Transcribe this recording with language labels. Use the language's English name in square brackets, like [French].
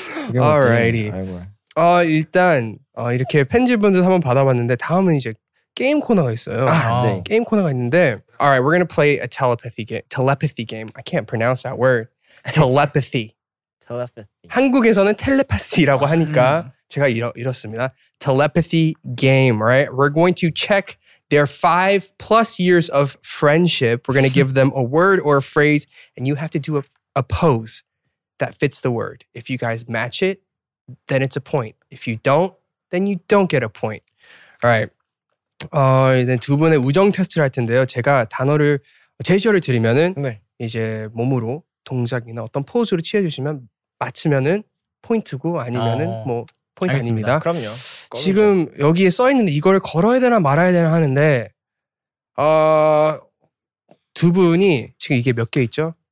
[Korean] 어. [English] Alrighty. [Korean] 어, 일단 어, 이렇게 팬질분들 한번 받아봤는데 다음은 이제 게임 코너가 있어요. 아, 네. 게임 코너가 있는데 [English] Alright, we're gonna play a telepathy game. I can't pronounce that word. Telepathy. Telepathy. [Korean] 한국에서는 텔레파시라고 하니까 제가 이렇습니다. [English] Telepathy game, right? We're going to check their 5+ years of friendship. We're gonna give them a word or a phrase and you have to do a pose that fits the word. If you guys match it, then it's a point. If you don't, then you don't get a point. Alright. [Korean] 어, 이제 두 분의 우정 테스트를 할 텐데요. 제가 단어를, 제시어를 드리면은 네. 이제 몸으로 동작이나 어떤 포즈로 취해주시면 맞추면은 포인트고 아니면은 아, 뭐 포인트 알겠습니다. 아닙니다. 그럼요. 거기죠. 지금 여기에 써있는데 이걸 걸어야 되나 말아야 되나 하는데 어, 두 분이 지금 이게 몇 개 있죠?